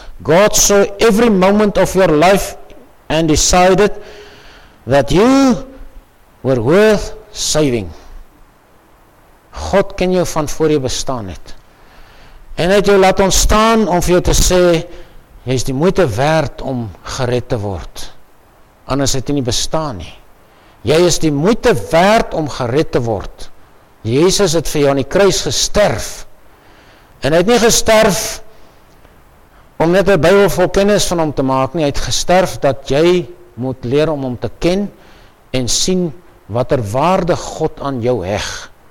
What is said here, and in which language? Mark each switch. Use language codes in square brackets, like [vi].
[en] God saw every moment of your life and decided that you were worth saving. [af] God ken jou van voor jy bestaan het. En hy het jou laat ontstaan om vir jou te sê, jy is die moeite werd om gered te word. Anders het jy nie bestaan nie. Jy is die moeite werd om gered te word. Jesus het vir jou aan die kruis gesterf. En hy het nie gesterf om net 'n Bybel vol kennis van hom te maak nie. Hy het gesterf dat jy moet leer om hom te ken en sien watter waarde God aan jou heg.